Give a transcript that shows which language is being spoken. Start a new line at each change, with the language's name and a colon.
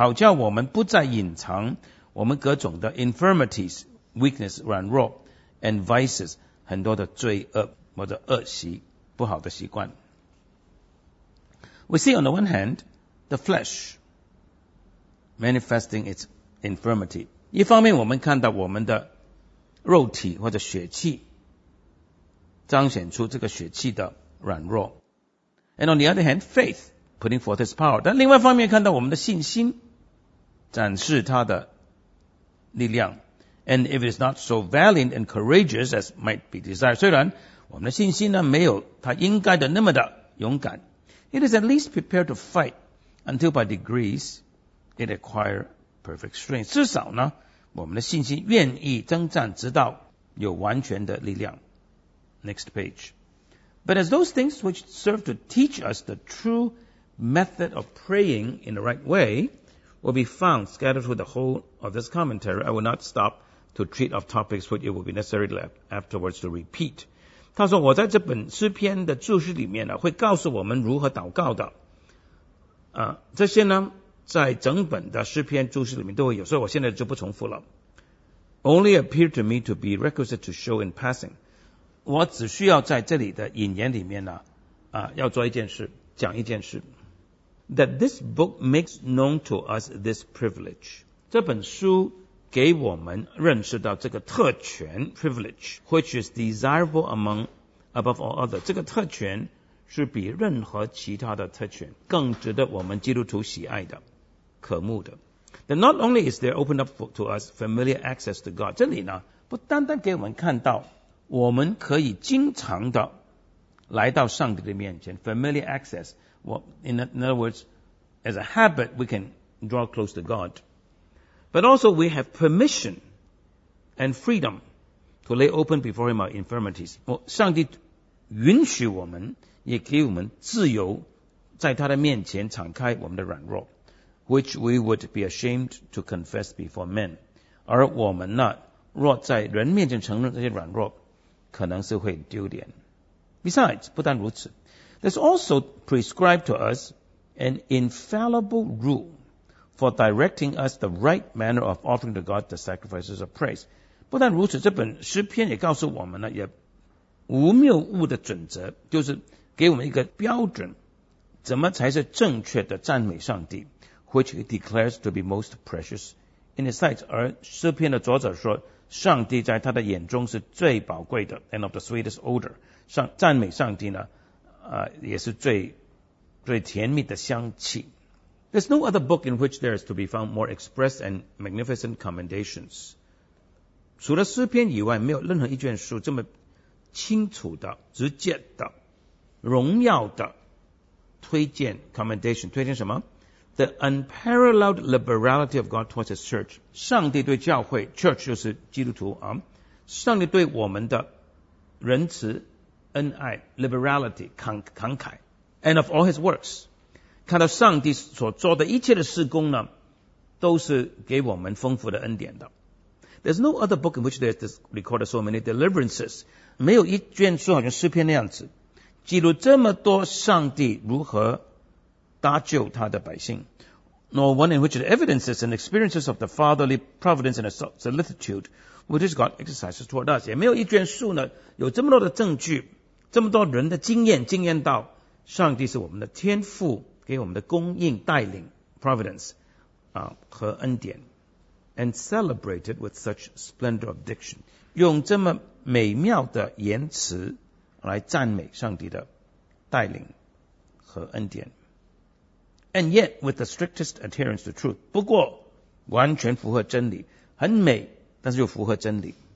Chinese: 好叫我们不再隐藏我们各种的
English: infirmities, weakness,
Chinese: 软弱
English: and vices,
Chinese: 很多的罪恶或者恶习，不好的习惯。
English: We see on the one hand, the flesh manifesting its infirmity.
Chinese: 一方面我们看到我们的肉体或者血气，彰显出这个血气的软弱。
English: And on the other hand, faith, putting forth its power.
Chinese: 但另外一方面看到我们的信心，展示它的力量。
English: And if it is not so valiant and courageous as might be desired,
Chinese: 虽然我们的信心呢没有它应该的那么的勇敢，
English: it is at least prepared to fight until by degrees it acquire perfect strength.
Chinese: 至少呢，我们的信心愿意征战，直到有完全的力量。
English: Next page. But as those things which serve to teach us the true method of praying in the right way will be found scattered through the whole of this commentary, I will not stop to treat of topics which it will be necessary afterwards to repeat.
Chinese: 他说我在这本诗篇的注释里面呢，会告诉我们如何祷告的。这些呢，在整本的诗篇注释里面都会有，所以我现在就不重复了。
English: Only appear to me to be requisite to show in passing.
Chinese: 我只需要在这里的引言里面呢，要做一件事，讲一件事。
English: That this book makes known to us this privilege.
Chinese: 这本书给我们认识到这个特权 privilege,
English: which is desirable among above all other.
Chinese: 这个特权是比任何其他的特权更值得我们基督徒喜爱的。可慕的。
English: That not only is there opened up to us familiar access to God,
Chinese: 这里呢不单单给我们看到我们可以经常的来到上帝的面前
English: familiar access, in other words, as a habit, we can draw close to God, but also we have permission and freedom to lay open before him our infirmities.
Chinese: 上帝允许我们，也给我们自由在他的面前敞开我们的软弱，
English: which we would be ashamed to confess before men.
Chinese: 而我们呢，若在人面前承认这些软弱，可能是会丢脸。
English: Besides,
Chinese: 不但如此，
English: there's also prescribed to us an infallible rule for directing us the right manner of offering to God the sacrifices of praise.
Chinese: 不但如此，这本诗篇也告诉我们呢，也无谬误的准则，就是给我们一个标准，怎么才是正确的赞美上帝。
English: Which he declares to be most precious in his sight.
Chinese: 而诗篇的作者说，上帝在他的眼中是最宝贵的 ，
English: and of the sweetest odor.
Chinese: 赞美上帝呢，也是最甜蜜的香气。
English: There's no other book in which there is to be found more express and magnificent commendations.
Chinese: 除了诗篇以外，没有任何一卷书这么清楚的、直接的、荣耀的推荐 commendation. 推荐什么？
English: The unparalleled liberality of God towards His church.
Chinese: 上帝对教会 church 就是基督徒啊，上帝对我们的仁慈恩爱 liberality 慷慨 and of all His works. 看到上帝所做的一切的事工呢，都是给我们丰富的恩典的。
English: There's no other book in which there is recorded so many deliverances.
Chinese: 没有一卷书好像诗篇那样子，记录这么多上帝如何搭救他的百姓，
English: nor one in which the evidences and experiences of the fatherly providence and solicitude which God exercises toward us.
Chinese: 也没有一卷书呢，有这么多的证据，这么多人的经验，经验到上帝是我们的天父，给我们的供应带领
English: providence
Chinese: 啊和恩典，
English: and celebrated with such splendor of diction.
Chinese: 用这么美妙的言辞来赞美上帝的带领和恩典。
English: And yet, with the strictest adherence to truth.
Chinese: 不过完全符合真理，很美，但是又符合真理。